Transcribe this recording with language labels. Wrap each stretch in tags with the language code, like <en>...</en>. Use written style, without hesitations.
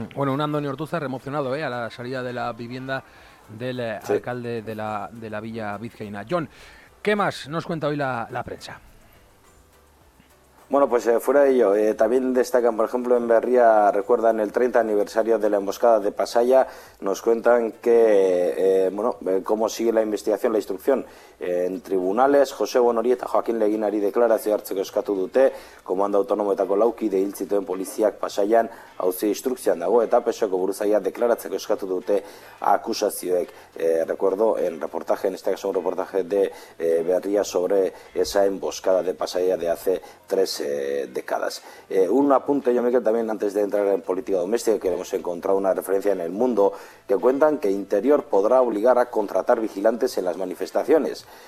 <es>Bueno, un Antonio Ortúzar emocionado a la salida de la vivienda del alcalde de la Villa Vizcaína. John, ¿qué más nos cuenta hoy la prensa? Bueno, pues fuera de ello, también destacan, por ejemplo, en Berria, recuerdan el 30 aniversario de la emboscada de Pasaya, nos cuentan que, cómo sigue la investigación, la instrucción.</es> <eu>En tribunales, José Bonori eta Joaquín Leginari deklarazio hartzeko eskatu dute, komando autonomoetako laukide hil zituen poliziak Pasaian, auzi instrukzioan dago, eta PSOEko buruzagia deklaratzeko eskatu dute akusazioek.</eu> <es>Recuerdo, en reportaje, en este caso un reportaje de Berria sobre esa emboscada de Pasaya de hace 3 décadas. Un apunte, yo, Miquel, también antes de entrar en política doméstica, que hemos encontrado una referencia en El Mundo, que cuentan que Interior podrá obligar a contratar vigilantes en las manifestaciones.</es>